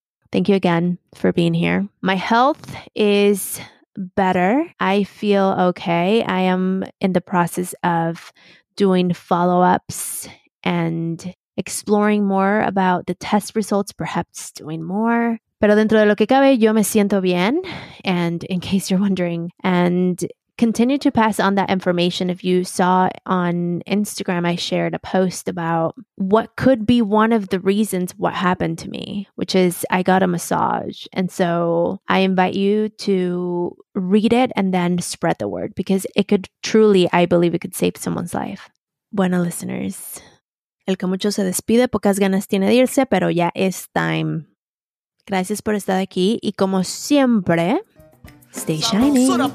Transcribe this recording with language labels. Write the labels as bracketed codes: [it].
[en] Thank you again for being here. My health is better. I feel okay. I am in the process of doing follow-ups and exploring more about the test results, perhaps doing more. [es] Pero dentro de lo que cabe, yo me siento bien. [en] And in case you're wondering, and continue to pass on that information. If you saw on Instagram, I shared a post about what could be one of the reasons what happened to me, which is I got a massage. And so I invite you to read it and then spread the word, because it could truly, I believe, it could save someone's life. [es] Bueno, listeners. El que mucho se despide, pocas ganas tiene de irse, pero ya es time. Gracias por estar aquí. Y como siempre, [en] stay shining.